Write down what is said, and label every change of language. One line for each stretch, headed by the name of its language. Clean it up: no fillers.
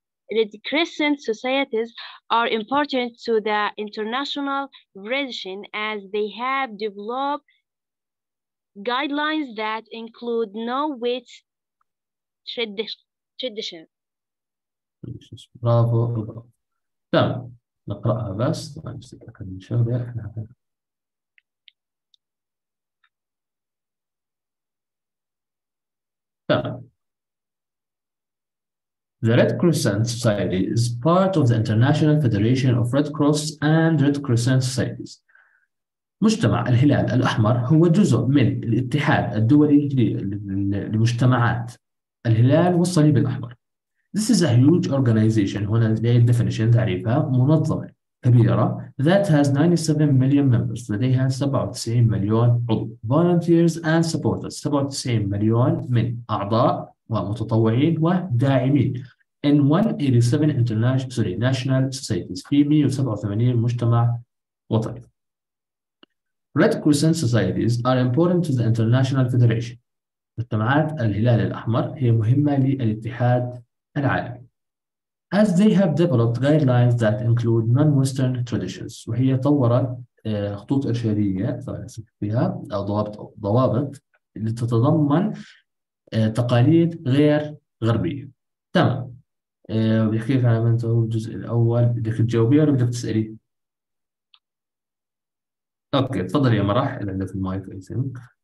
English: Red Crescent societies are important to the international region as they have developed guidelines that include no witch tradition. Bravo.
Arabic: تمام نقرأها بس نتأكد من شغلي.
English: The Red Crescent Society is part of the International Federation of Red Cross and Red Crescent Societies.
Arabic: مجتمع الهلال الأحمر هو جزء من الاتحاد الدولي لمجتمعات الهلال والصليب الأحمر.
English: This is a huge organization. هنا هي definition تعريفها منظمة كبيرة that has 97 million members.
Arabic: لديها 97 مليون عضو. Volunteers and supporters. 97 مليون من أعضاء ومتطوعين وداعمين.
English: In 187 international sorry national societies. في 187 مجتمع وطني. Red Crescent Societies are important to the International Federation.
Arabic: مجتمعات الهلال الأحمر هي مهمة للاتحاد العالمي.
English: As they have developed guidelines that include non-Western traditions.
Arabic: وهي طورت خطوط إرشادية فيها أو ضوابط لتتضمن تقاليد غير غربية. تمام. بيحكي لك على من هو الجزء الأول، بدك تجاوبيه ولا بدك تسألي؟ أوكي تفضلي يا مرح، إذا عندك المايك أي ثينك.